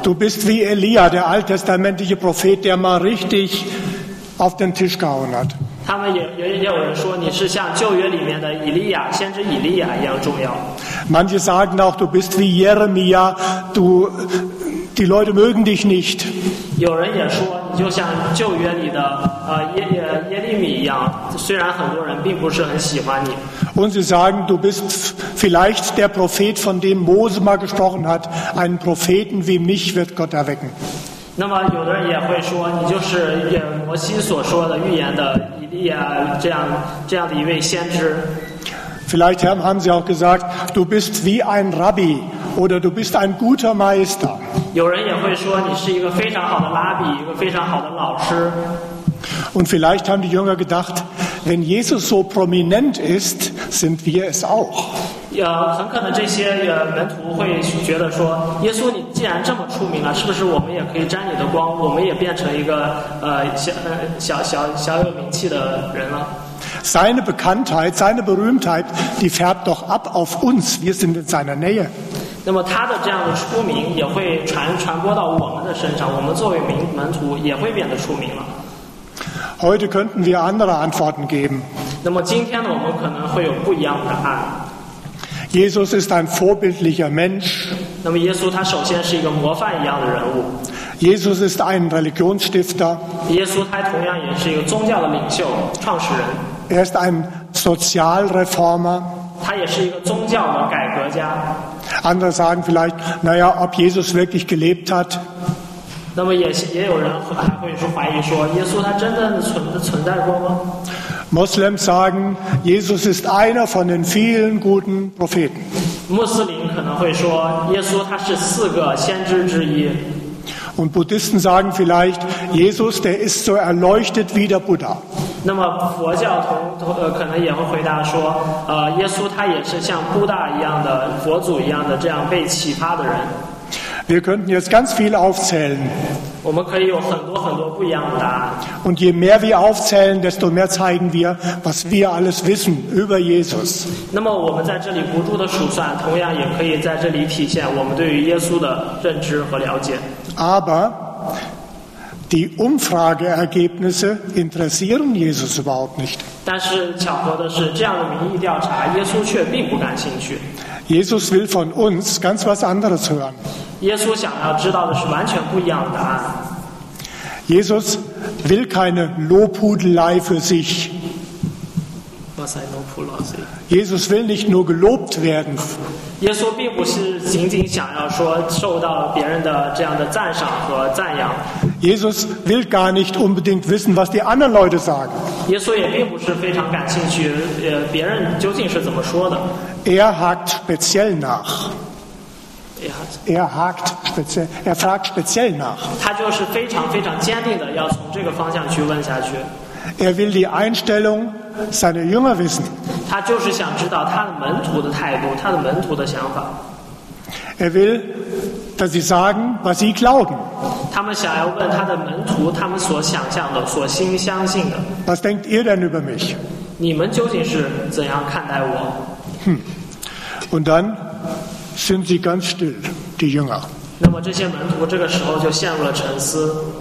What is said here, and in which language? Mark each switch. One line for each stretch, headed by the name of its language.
German: Du bist wie Elia, der alttestamentliche Prophet, der mal richtig auf den Tisch gehauen hat.
Chinese: 他们也有人说你是像旧约里面的以利亚，先知以利亚一样重要。
German: Manche sagen auch, du bist wie Jeremia, die Leute mögen dich nicht.
Chinese: 有人也说你就像旧约里的耶利米一样，虽然很多人并不是很喜欢你。
German: Und sie sagen, du bist vielleicht der Prophet, von dem Mose mal gesprochen hat. Einen Propheten wie mich wird Gott erwecken.
Chinese: 那么有的人也会说，你就是摩西所说的预言的以利亚这样的一位先知。
German: Vielleicht haben sie auch gesagt, du bist wie ein Rabbi oder du bist ein guter Meister.
Chinese: 有人也会说你是一个非常好的拉比，一个非常好的老师。
German: Und vielleicht haben die Jünger gedacht, wenn Jesus so prominent ist, sind wir es auch.
Chinese: Ja, 很可能这些门徒会觉得说，耶稣，你既然这么出名了，是不是我们也可以沾你的光，我们也变成一个小有名气的人了？
German: Seine Bekanntheit, seine Berühmtheit, die färbt doch ab auf uns. Wir sind in seiner Nähe.
Chinese: 那么他的这样的出名也会传播到我们的身上，我们作为门徒也会变得出名了。
German: Heute könnten wir andere Antworten geben.
Chinese: 那么今天呢，我们可能会有不一样的答案。
German: Jesus ist ein vorbildlicher Mensch.
Chinese: 那么耶稣他首先是一个模范一样的人物。
German: Jesus ist ein Religionsstifter.
Chinese: 耶稣他同样也是一个宗教的领袖，创始人。
German: Er ist ein Sozialreformer.
Chinese: 他也是一个宗教的改革家。
German: Andere sagen vielleicht, naja, ob Jesus wirklich gelebt hat.
Chinese: 那么也有人会怀疑说，耶稣他真的存在过吗？
German: Moslems sagen, Jesus ist einer von den vielen guten Propheten.
Chinese: 穆斯林可能会说，耶稣他是四个先知之一。
German: Und Buddhisten sagen vielleicht, Jesus, der ist so erleuchtet wie der Buddha.
Chinese: 那么佛教可能也会回答说，耶稣他也是像布达一样的佛祖一样的这样被启发的人。
German: Wir könnten jetzt ganz viel aufzählen.
Chinese: 我们可以有很多很多不一样的答案。
German: Und je mehr wir aufzählen, desto mehr zeigen wir, was wir alles wissen über Jesus.
Chinese: 那么我们在这里不住的数算，同样也可以在这里体现我们对于耶稣的认知和了解。
German: Aber die Umfrageergebnisse interessieren Jesus überhaupt nicht.
Chinese: 但是巧合的是，这样的民意调查，耶稣却并不感兴趣。
German: Jesus will von uns ganz was anderes hören.
Chinese: 耶稣想要知道的是完全不一样的答案。
German: Jesus will keine Lobhudelei für sich. Was ein Lobhudelei? Jesus will nicht nur gelobt werden.
Chinese: 耶稣并不是仅仅想要说受到别人的这样的赞赏和赞扬。
German: Jesus will gar nicht unbedingt wissen, was die anderen Leute sagen.
Chinese: 耶稣也并不是非常感兴趣，别人究竟是怎么说的。
German: Er hakt speziell nach. Er hakt speziell. Er fragt speziell nach.
Chinese: 他就是非常非常坚定的要从这个方向去问下去。
German: Er will die Einstellung seiner Jünger wissen.
Chinese: 他就是想知道他的门徒的态度，他的门徒的想法。
German: Er will, dass sie sagen, was sie glauben.
Chinese: 他们想要问他的门徒，他们所想象的，所心相信的。
German: Was denkt ihr denn über mich?
Chinese: 你们究竟是怎样看待我？
German: Und dann sind sie ganz still, die Jünger.
Chinese: 那么这些门徒这个时候就陷入了沉思。